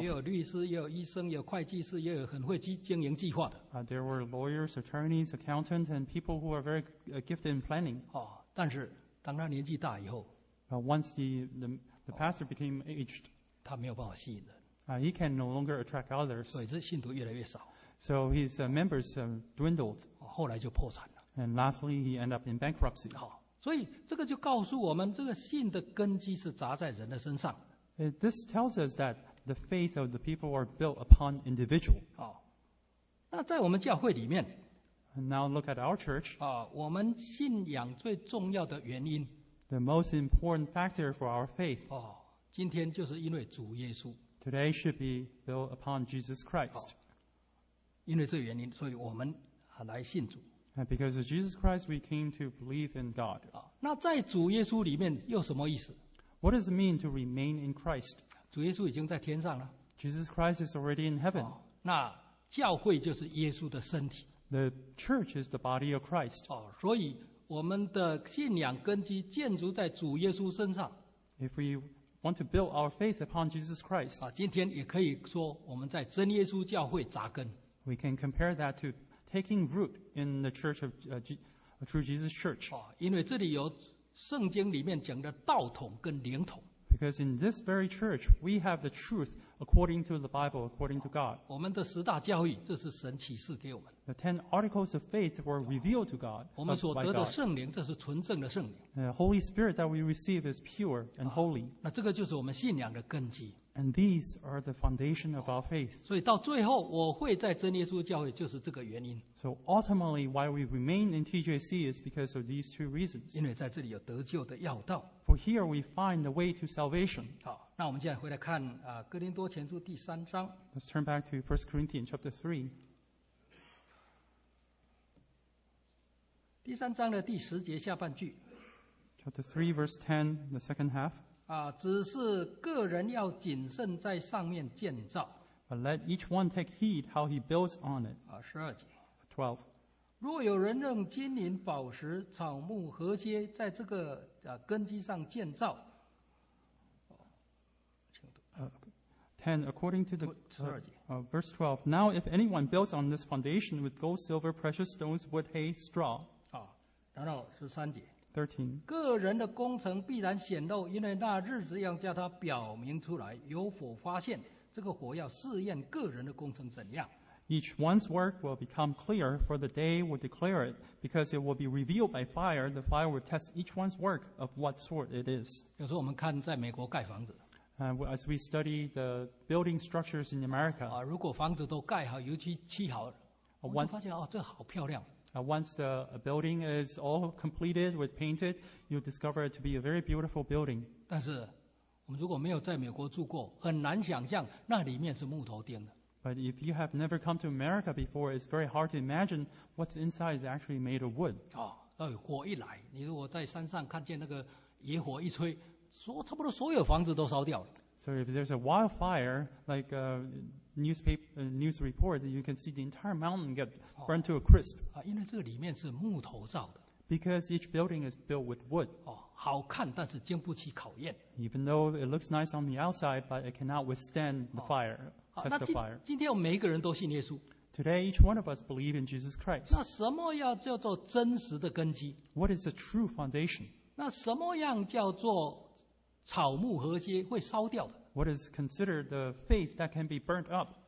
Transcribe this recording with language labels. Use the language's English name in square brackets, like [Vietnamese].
[Chinese] 也有律师，也有医生，也有会计师，也有很会经营计划的。 [English] There were lawyers, attorneys, accountants, and people who are very gifted in planning. [Chinese] 但是当他年纪大以后， [English] Once the pastor became aged, [Chinese] 他没有办法吸引人。 [English] He can no longer attract others. [Chinese] 所以这信徒越来越少。 [English] So his members dwindled. [Chinese] 后来就破产了。 [English] And lastly, he ended up in bankruptcy. [Chinese] 所以这个就告诉我们，这个信的根基是扎在人的身上。 [English] This tells us that the faith of the people are built upon individual. [Chinese] 那在我们教会里面 [English] ，Now look at our church. [Chinese] 我们信仰最重要的原因 [English] ，The most important factor for our faith. [Chinese] 今天就是因为主耶稣。 [English] Today should be built upon Jesus Christ. [Chinese] 因为这个原因，所以我们来信主。 [English] And because of Jesus Christ, we came to believe in God. [Chinese] 那在主耶稣里面又什么意思？ [English] What does it mean to remain in Christ? [Chinese] 主耶稣已经在天上了。 [English] Jesus Christ is already in heaven. [Chinese] 那教会就是耶稣的身体。 [English] The church is the body of Christ. [Chinese] 所以我们的信仰根基建筑在主耶稣身上。 [English] If we want to build our faith upon Jesus Christ, [Chinese] 今天也可以说我们在真耶稣教会扎根。 [English] We can compare that to taking root in the church of true Jesus Church. [Chinese] 因为这里有圣经里面讲的道统跟灵统。 [English] Because in this very church, we have the truth according to the Bible, according to God. [Chinese] 我们的十大教义，这是神启示给我们。 [English] The ten articles of faith were revealed to God. [Chinese] 我们所得的圣灵，这是纯正的圣灵。 [English] The Holy Spirit that we receive is pure and holy. [Chinese] 那这个就是我们信仰的根基。 [English] And these are the foundation of our faith. [Chinese] 所以到最后，我会在真耶稣教会，就是这个原因。 [English] So ultimately, why we remain in TJC is because of these two reasons. [Chinese] 因为在这里有得救的要道。 [English] For here we find the way to salvation. [Chinese] 好，那我们现在回来看哥林多前书第三章。 [English] Let's turn back to 1 Corinthians chapter 3. [Chinese] 第三章的第十节下半句。 [English] Chapter 3, verse 10, the second half. [Chinese] 只是个人要谨慎在上面建造。 [English] But let each one take heed how he builds on it. [Chinese] 十二节。 [English] 12. [Chinese] 若有人用金银宝石、草木、禾秸在这个根基上建造。 [English] 10. According to the [Chinese] 十二节。 [English] Verse 12. Now if anyone builds on this foundation with gold, silver, precious stones, wood, hay, straw. [Chinese] 然后十三节。 [English] 13. [Chinese] 个人的工程必然显露，因为那日子要叫他表明出来，有否发现，这个火要试验个人的工程怎样。 [English] Each one's work will become clear, for the day will declare it, because it will be revealed by fire. The fire will test each one's work of what sort it is. [Chinese] 就是我们看在美国盖房子。 [English] As we study the building structures in America. [Chinese] 如果房子都盖好，油漆漆好，我们发现这好漂亮。 [English] Once the building is all completed with painted, you discover it to be a very beautiful building. [Chinese] 但是我们如果没有在美国住过，很难想象那里面是木头钉的。 [English] But if you have never come to America before, it's very hard to imagine what's inside is actually made of wood. [Chinese] 火一来，你如果在山上看见那个野火一吹，差不多所有房子都烧掉了。 [English] So if there's a wildfire, like a newspaper, a news report, you can see the entire mountain get burned to a crisp. [Chinese] 因为这里面是木头造的。 [English] Because each building is built with wood. [Chinese] 好看，但是经不起考验。 [English] Even though it looks nice on the outside, but it cannot withstand the fire, test the fire. [Chinese] 今天我们每一个人都信耶稣。 [English] Today, each one of us believe in Jesus Christ. [Chinese] 那什么要叫做真实的根基？ [English] What is the true foundation? [Chinese] 那什么样叫做草木禾秸会烧掉的。 [English] What is considered the faith that can be burnt up?